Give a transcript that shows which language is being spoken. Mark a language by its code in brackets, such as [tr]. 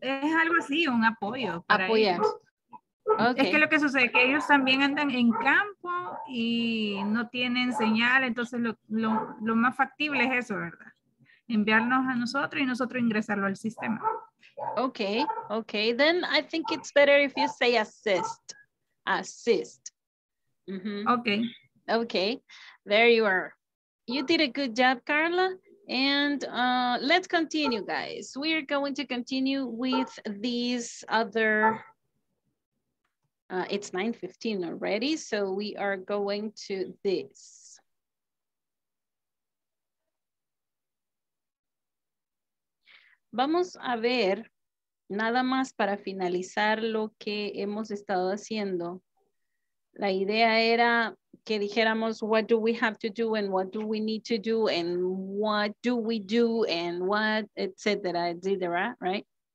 [es] Es algo así, un apoyo. Para apoyar. Ellos. [en] Okay. [es] Es que lo que sucede es que ellos también andan en campo y no tienen señal, entonces lo más factible es eso, ¿verdad? Enviarnos a nosotros y nosotros ingresarlo al sistema. [en] Okay. Then I think it's better if you say assist. Assist. Mm-hmm. Okay. Okay. There you are. You did a good job, Carla. And let's continue, guys. We are going to continue with these other... it's 9:15 already, so we are going to this. [es] Vamos a ver, nada más para finalizar lo que hemos estado haciendo. La idea era que dijéramos, [en] what do we have to do and what do we need to do and what do we do and what, et cetera, right?